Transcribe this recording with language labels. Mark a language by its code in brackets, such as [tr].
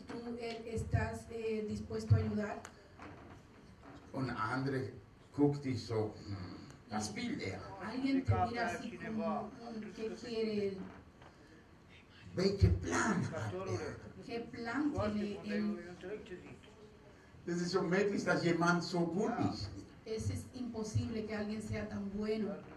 [es] Tú estás dispuesto a ayudar. [de] Und andere guckt dich so. Das will er. [es] Alguien te mira así como que quiere él. [de] Welchen Plan hat er? [es] ¿Qué plan tiene él? [de] Es ist unmöglich, dass jemand so gut ist. Es ist [es] imposible que alguien sea tan bueno.